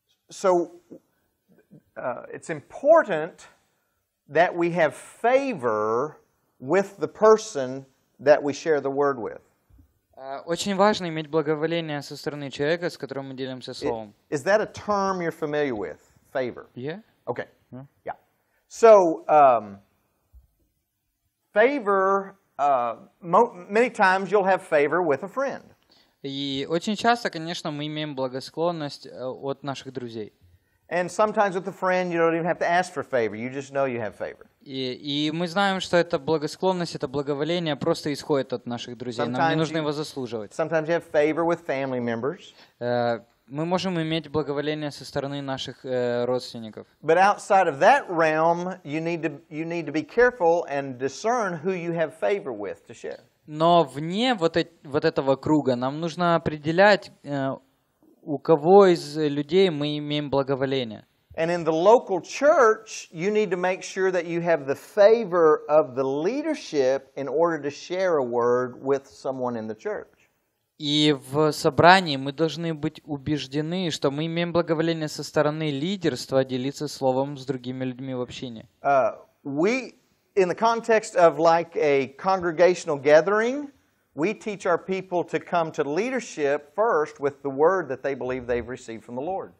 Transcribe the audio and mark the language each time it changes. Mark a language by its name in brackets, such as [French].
[English] So it's important that we have favor with the person that we share the word with. [Russian] Очень важно иметь благоволение со стороны человека, с которым мы делимся словом. [English] Is that a term you're familiar with? Favor. Yeah. Okay. Yeah. Yeah. So, favor, many times you'll have favor with a friend. [Russian] И очень часто, конечно, мы имеем благосклонность от наших друзей. [English] And sometimes with a friend, you don't even have to ask for favor. You just know you have favor. [Russian] И мы знаем, что эта благосклонность, это благоволение просто исходит от наших друзей. Нам не нужно его заслуживать. [English] Sometimes you have favor with family members. [Russian] Мы можем иметь благоволение со стороны наших родственников. [English] But outside of that realm, you need to be careful and discern who you have favor with to share. [Russian] Но вне вот этого круга нам нужно определять, у кого из людей мы имеем благоволение. [English] And in the local church, you need to make sure that you have the favor of the leadership in order to share a word with someone in the church. [Russian] И в собрании мы должны быть убеждены, что мы имеем благоволение со стороны лидерства делиться словом с другими людьми в общине. [English] We, in the context of like a congregational gathering, we teach our people to come to leadership first with the word that they believe they've received from the Lord.